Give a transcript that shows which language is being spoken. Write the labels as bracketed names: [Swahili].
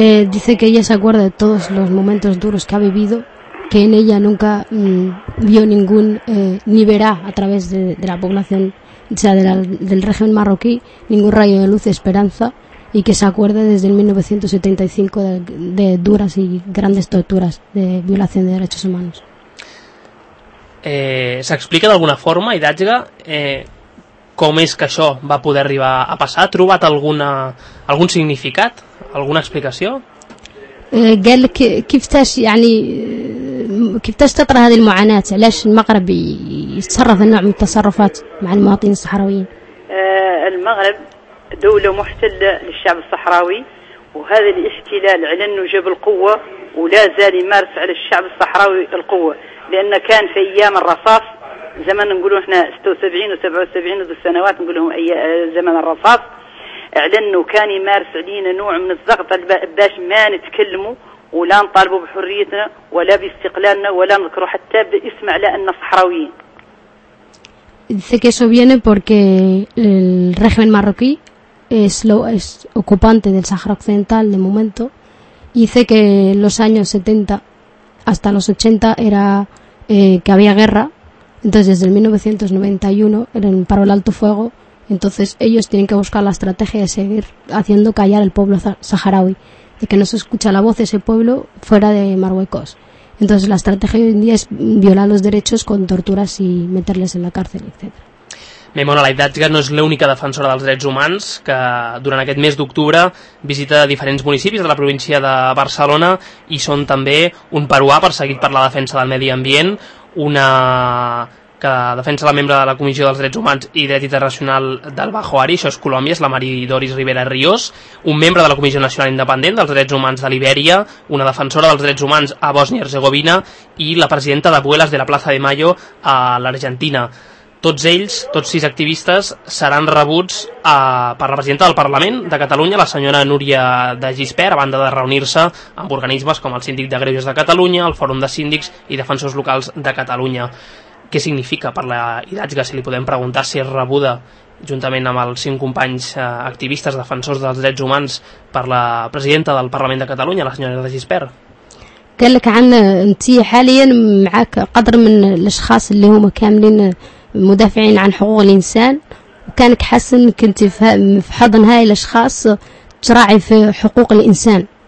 [Spanish] Dice que ella se acuerda de todos los momentos duros que ha vivido, que en ella nunca vio ningún, ni verá a través de la población, o sea, del régimen marroquí, ningún rayo de luz de esperanza, y que se acuerda desde el 1975 de duras y grandes torturas de violación de derechos humanos. [Catalan] ¿Se explica de alguna forma, Aidatge, com és que això va poder arribar a passar? Ha trobat algun significat? Alguna explicació? [Arabic] قال لك كيفاش يعني كيفاش تطرى هذه المعاناه علاش المغرب يتصرف النوع من التصرفات مع المواطنين الصحراويين المغرب دوله محتله للشعب الصحراوي وهذا الاحتلال علنه جاب القوه ولا زال يمارس على الشعب الصحراوي القوه لان كان في ايام الرصاص زمان نقولوا احنا 76 و77 ذو السنوات نقولهم زمان الرصاص اعلنوا كان يمارس علينا نوع من الضغط باش ما نتكلموا ولا نطالبوا بحريتنا ولا باستقلالنا ولا نذكروا حتى باسم على اننا صحراويين. [Spanish] Dice que eso viene porque el régimen marroquí es ocupante del Sahara Occidental de momento. Dice que los años 70 hasta los 80 era que había guerra. Entonces desde el 1991 era en paro el alto fuego. Entonces ellos tienen que buscar la estrategia de seguir haciendo callar el pueblo saharaui, de que no se escucha la voz de ese pueblo fuera de Marruecos. Entonces la estrategia hoy en día es violar los derechos con torturas y meterles en la cárcel, etc. [Catalan] Memona Aidatge no és l'única defensora dels drets humans que durant aquest mes d'octubre visita diferents municipis de la província de Barcelona i són també un peruà perseguit per la defensa del medi ambient, una que defensa la membre de la Comissió dels Drets Humans i Dret Internacional del Bajo Ari, això és Colòmbia, és la Mari Doris Rivera Ríos, un membre de la Comissió Nacional Independent dels Drets Humans de Libèria, una defensora dels drets humans a Bòsnia i Herzegovina i la presidenta de Abuelas de la Plaza de Mayo a l'Argentina. Tots ells, tots sis activistes, seran rebuts per la presidenta del Parlament de Catalunya, la senyora Núria de Gispert, a banda de reunir-se amb organismes com el Síndic de Greuges de Catalunya, el Fòrum de Síndics i Defensors Locals de Catalunya. Què significa per la Aidatge, si li podem preguntar si és rebuda juntament amb els cinc companys activistes defensors dels drets humans per la presidenta del Parlament de Catalunya, la senyora de Gispert? [Arabic] قال لك عن انت حاليا معك قدر من الاشخاص اللي هما كاملين مدافعين عن حقوق الانسان وكانك حاسس انك انت في حضن هاي الاشخاص تراعي في حقوق الانسان